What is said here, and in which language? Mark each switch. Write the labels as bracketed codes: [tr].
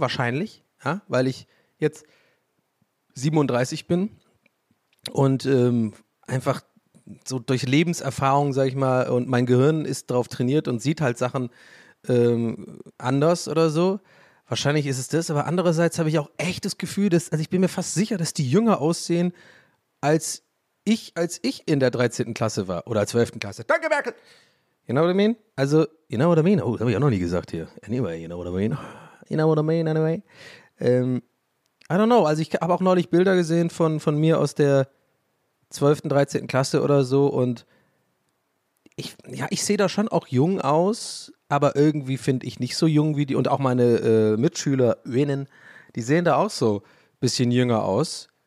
[de] Wahrscheinlich, ja, weil ich jetzt 37 bin und einfach so durch Lebenserfahrung, sag ich mal, und mein Gehirn ist darauf trainiert und sieht halt Sachen anders oder so. Wahrscheinlich ist es das, aber andererseits habe ich auch echt das Gefühl, ich bin mir fast sicher, dass die jünger aussehen, als ich in der 13. Klasse war oder 12. Klasse. Danke, Merkel! [en] You know what I mean? [de] Also, [en] you know what I mean? [de] Oh, das habe ich auch noch nie gesagt hier. [en] Anyway, you know what I mean? You know what I mean, anyway? I don't know. [de] Also, ich habe auch neulich Bilder gesehen von mir aus der 12., 13. Klasse oder so und ich sehe da schon auch jung aus, aber irgendwie finde ich nicht so jung wie die und auch meine MitschülerInnen, die sehen da auch so ein bisschen jünger aus.